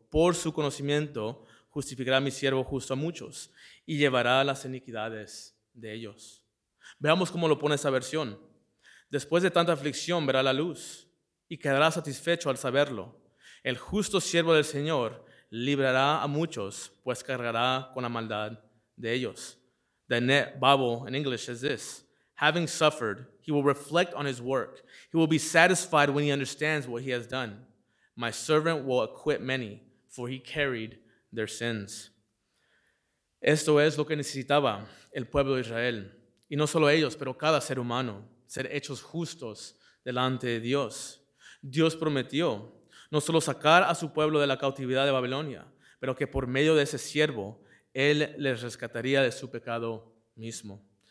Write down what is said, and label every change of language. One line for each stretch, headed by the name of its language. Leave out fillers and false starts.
Spanish: Por su conocimiento justificará a mi siervo justo a muchos y llevará las iniquidades de ellos. Veamos cómo lo pone esa versión. Después de tanta aflicción verá la luz y quedará satisfecho al saberlo. El justo siervo del Señor librará a muchos, pues cargará con la maldad de ellos.
English: The net Bible in English says this. Having suffered, he will reflect on his work. He will be satisfied when he understands what he has done. My servant will acquit many, for he carried their sins.
Spanish: Esto es lo que necesitaba el pueblo de Israel. Y no solo ellos, pero cada ser humano. Ser hechos justos delante de Dios. Dios prometió no solo sacar a su pueblo de la cautividad de Babilonia, pero que por medio de ese siervo, Él les rescataría de su pecado mismo.